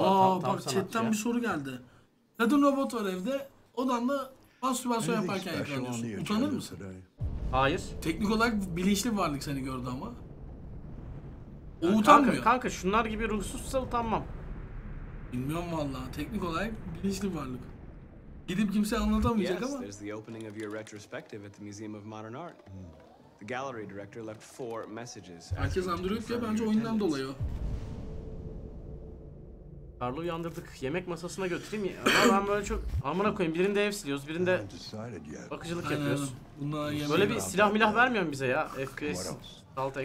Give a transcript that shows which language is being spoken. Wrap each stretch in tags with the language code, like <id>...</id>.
<tr>Aa, bak chatten bir soru geldi. Kadın robot var evde, odan da mastürbasyon yaparken yıkanıyorsun. Utanır mısın? Hayır. Teknik olarak bilinçli bir varlık seni gördü ama. O yani utanmıyor. Kanka şunlar gibi ruhsuzsa utanmam. Bilmiyorum valla, teknik olarak bilinçli bir varlık. Gidip kimse anlatamayacak</tr> <en>yes,</en> <tr>ama.</tr> <en>Yes, there's the opening of your retrospective at the Museum of Modern Art. The gallery director left four messages.</en> <tr>Herkes Android ya, bence oyundan dolayı o. Karlı uyandırdık. Yemek masasına götüreyim ya. Ama ben böyle çok amına koyayım. Birinde ev siliyoruz, birinde bakıcılık yapıyoruz. Böyle bir silah milah vermiyor mu bize ya? FPS, alt action.</tr>